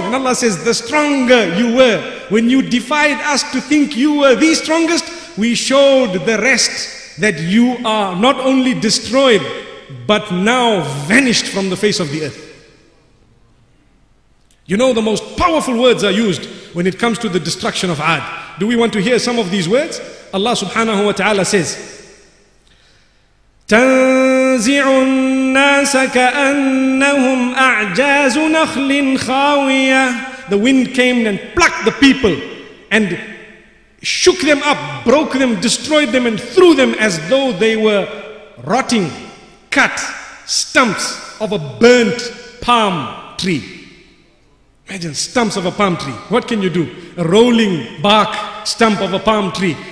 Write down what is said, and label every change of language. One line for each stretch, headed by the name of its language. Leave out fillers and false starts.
English: And Allah says, the stronger you were, when you defied us to think you were the strongest, we showed the rest that you are not only destroyed, but now vanished from the face of the earth. You know, the most powerful words are used when it comes to the destruction of Ad. Do we want to hear some of these words? Allah subhanahu wa ta'ala says,
Arabic: تنزع الناس كأنهم أعجاز نخل خاوية.
English: The wind came and plucked the people and shook them up, broke them, destroyed them, and threw them as though they were rotting, cut stumps of a burnt palm tree. Imagine stumps of a palm tree. What can you do? A rolling bark stump of a palm tree.